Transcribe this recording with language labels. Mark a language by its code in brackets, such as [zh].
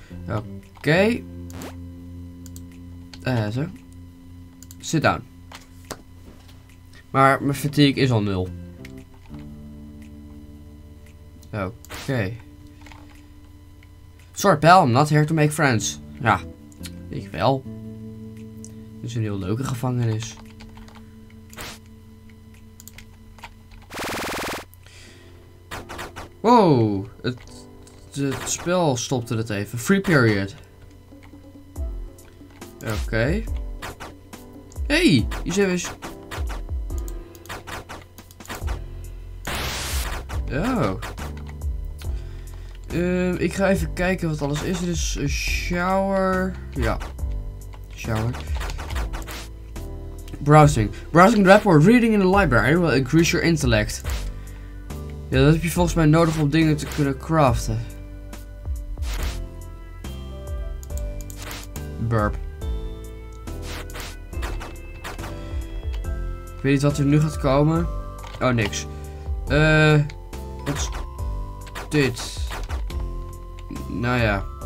[nl] Oké. [en] Okay. [nl] Zo. [en] Sit down. [nl] Maar mijn fatigue is al nul. Oké. [en] Sorry pal, I'm not here to make friends. [nl] Ja, ik wel. Dit is een heel leuke gevangenis. Wow, het spel stopte het even. [en] Free period. [nl] Oké. Hey, hier zijn we eens. Oh. Ik ga even kijken wat alles is. Er is een shower. Ja. Shower. [en] Browsing. Browsing the report. Reading in the library will increase your intellect. [nl] Ja, dat heb je volgens mij nodig om dingen te kunnen craften. Burp. Ik weet niet wat er nu gaat komen. Oh, niks. Wat is dit? Nou ja.